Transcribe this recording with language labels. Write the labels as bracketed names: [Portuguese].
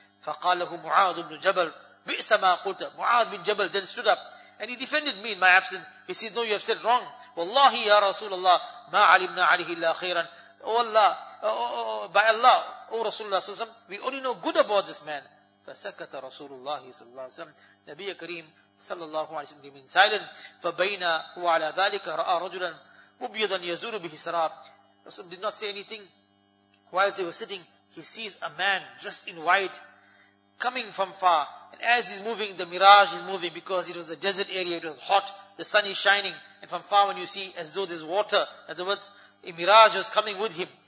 [Arabic] فَقَالَهُ مُعَاذ بْنُ جَبَلْ بِئْسَ مَا قُلْتَ. [English] Mu'adh bin Jabal then stood up and he defended me in my absence. He says, no, you have said wrong. [Arabic] وَاللَّهِ يَا رَسُولَ اللَّهِ مَا عَلِمْنَا عَلِهِ إِلَّا خَيْرًا. [English] Oh Allah, by Allah, O Rasulullah صلى الله عليه وسلم, we only know good about this man. [Arabic] فَسَكَتَ رَسُولُ اللَّهِ صلى الله عليه وسلم. نبي كريم صلى الله عليه وسلم [English] remained silent. [Arabic] فَبَيْنَا وَعَلَى ذَلِكَ رَأَى رَجُلًا مُبْيَضًا يَزُولُ بِهِ سَرَارٌ. [English] Rasul did not say anything. While they were sitting, he sees a man dressed in white coming from far. And as he's moving, the mirage is moving because it was a desert area, it was hot, the sun is shining. And from far when you see as though there's water, in other words, a mirage was coming with him.